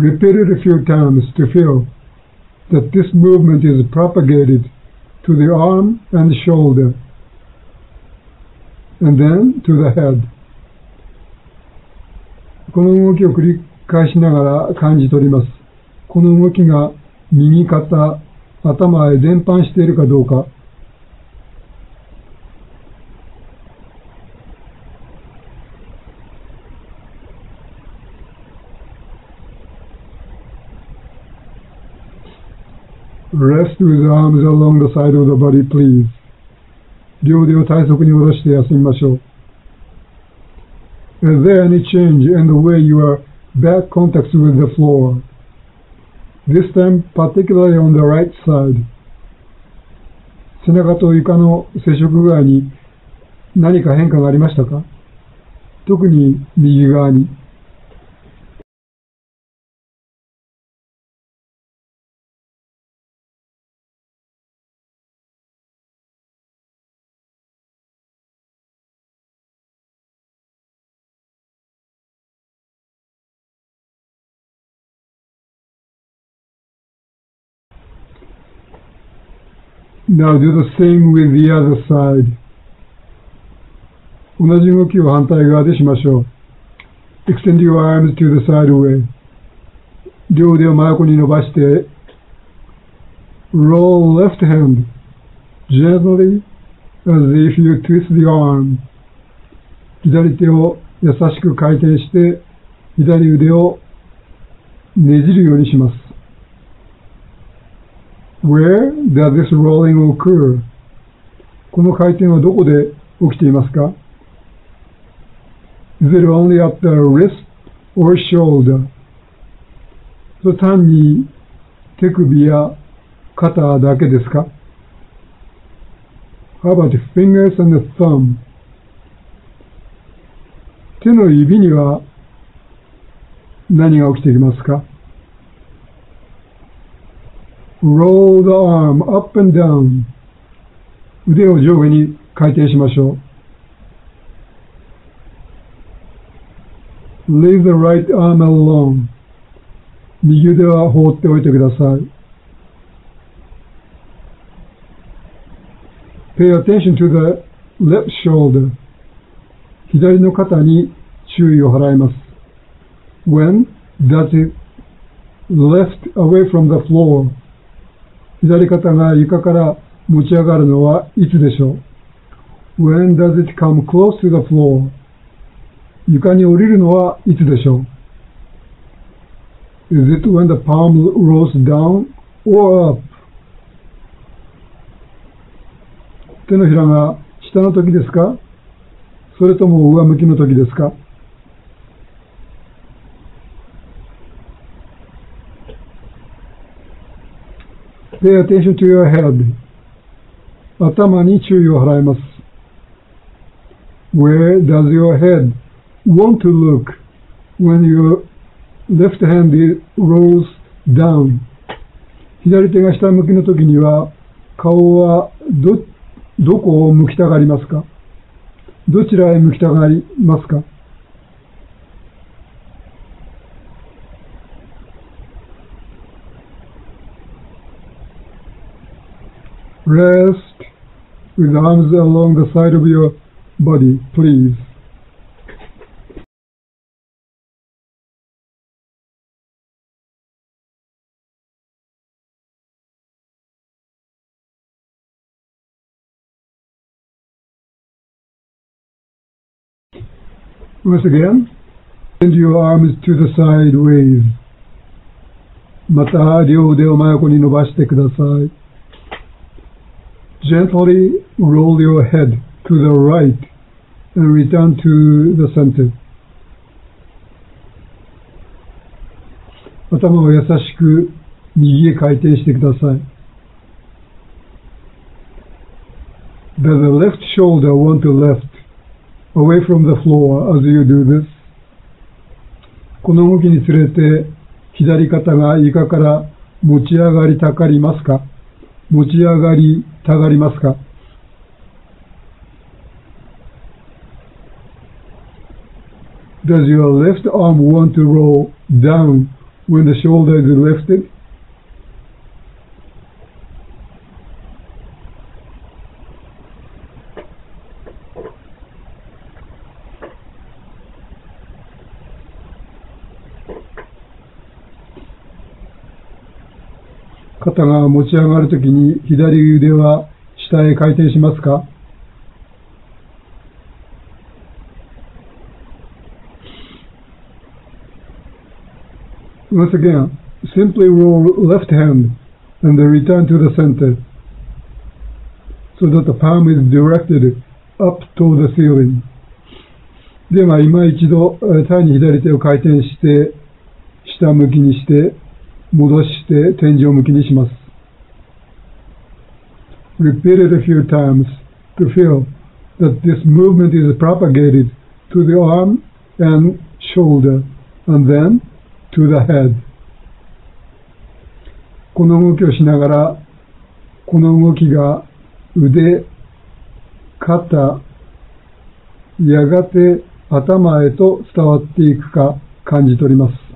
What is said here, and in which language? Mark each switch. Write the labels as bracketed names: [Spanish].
[English] Repeat it a few times to feel. That this movement is propagated to the arm and shoulder, and then to the head. [Japanese] この動きを繰り返しながら感じ取ります。この動きが右肩、頭へ伝播しているかどうか。 [English] Rest with arms along the side of the body, please. [Japanese] 両腕を体側に下ろして休みましょう。 [English] Is there any change in the way you are back contact with the floor? This time, particularly on the right side. [Japanese] 背中と床の接触具合に何か変化がありましたか？特に右側に。 [English] Now do the same with the other side. [Japanese] 同じ動きを反対側でしましょう。 [English] Extend your arms to the side way. [Japanese] 両腕を真横に伸ばして、 [English] Roll left hand gently as if you twist the arm. [Japanese] 左手を優しく回転して、左腕をねじるようにします。 [English] Where does this rolling occur? [Japanese] この回転はどこで起きていますか? [English] Is it only at the wrist or shoulder? [Japanese] そう、単に手首や肩だけですか? [English] How about fingers and the thumb? [Japanese] 手の指には何が起きていますか? [English] Roll the arm up and down. [Japanese] 腕を上下に回転しましょう。 [English] Leave the right arm alone. [Japanese] 右腕は放っておいてください。 [English] Pay attention to the left shoulder. [Japanese] 左の肩に注意を払います。 [English] When does it left away from the floor? [Japanese] 左肩が床から持ち上がるのはいつでしょう? [English] When does it come close to the floor? [Japanese] 床に降りるのはいつでしょう? [English] Is it when the palm rolls down or up? [Japanese] 手のひらが下の時ですか?それとも上向きの時ですか? [English] Pay attention to your head. [Japanese] 頭に注意を払います。 [English] Where does your head want to look when your left hand rolls down? [Japanese] 左手が下向きの時には顔はどこを向きたがりますか？どちらへ向きたがりますか？ [English] Rest with arms along the side of your body, please. Once again, bend your arms to the sideways. [Japanese] また両腕を真横に伸ばしてください。 [English] Gently roll your head to the right and return to the center. [Japanese] 頭を優しく右へ回転してください。 [English] Does the left shoulder want to left away from the floor as you do this? [Japanese] この動きにつれて左肩が床から持ち上がりたがりますか？持ち上がりたがりますか？ [English] Does your left arm want to roll down when the shoulder is lifted? [Japanese] 肩が持ち上がるときに左腕は下へ回転しますか？ [English] Once again, simply roll left hand and return to the center so that the palm is directed up to the ceiling. [Japanese] では今一度単に左手を回転して下向きにして戻して天井向きにします。 [English] Repeat it a few times to feel that this movement is propagated to the arm and shoulder and then to the head. [Japanese] この動きをしながら、この動きが腕、肩、やがて頭へと伝わっていくか感じ取ります。